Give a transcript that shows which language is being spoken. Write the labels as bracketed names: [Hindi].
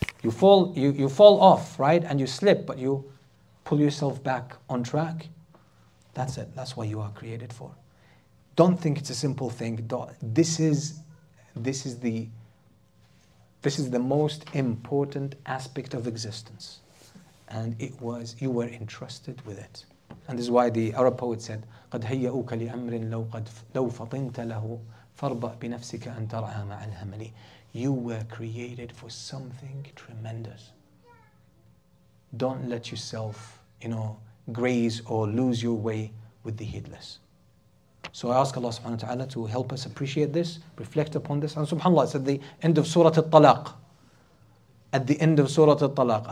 [English] You fall off, right? And you slip, but you pull yourself back on track. That's it. That's what you are created for. Don't think it's a simple thing. This is the most important aspect of existence. And you were entrusted with it. And this is why the Arab poet said, [Arabic] قَدْ هَيَّأُوكَ لِأَمْرٍ لَوْ فَطِنْتَ لَهُ فَارْبَأْ بِنَفْسِكَ أَنْ تَرْعَى مَعَ الْهَمَلِ. [English] You were created for something tremendous. Don't let yourself, you know, graze or lose your way with the heedless. So I ask Allah subhanahu wa ta'ala to help us appreciate this, reflect upon this. And subhanAllah, it's at the end of Surah Al-Talaq. At the end of Surah Al-Talaq.